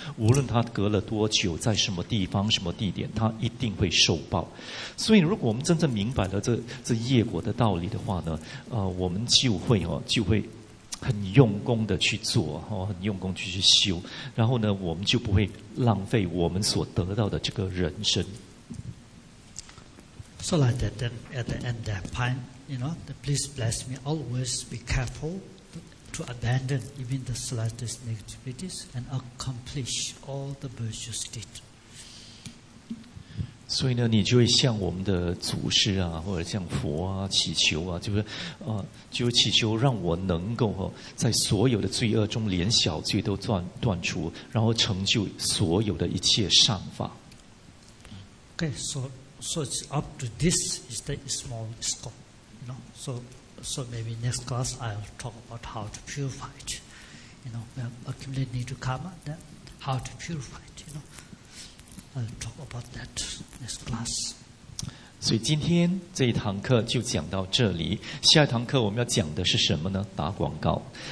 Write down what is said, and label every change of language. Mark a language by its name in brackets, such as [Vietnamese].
[Chinese] 无论它隔了多久，在什么地方、什么地点，它一定会受报。所以，如果我们真正明白了这业果的道理的话呢，我们就会很用功的去做，很用功去修，然后呢，我们就不会浪费我们所得到的这个人生。 [English] So like that, then at the end that point, you know, the please bless me. Always be careful to abandon even the slightest negativities and accomplish all the virtuous deeds. [Chinese] 所以呢，你就会向我们的祖师啊，或者向佛啊祈求啊，就是，就祈求让我能够哈，在所有的罪恶中，连小罪都断除，然后成就所有的一切善法。 [English] Okay, so it's up to this is the small scope, you know. So maybe next class I'll talk about how to purify it, you know. We have accumulated need to karma, then how to purify it, you know. I'll talk about that next class. [Chinese] 所以今天这一堂课就讲到这里。下一堂课我们要讲的是什么呢？打广告。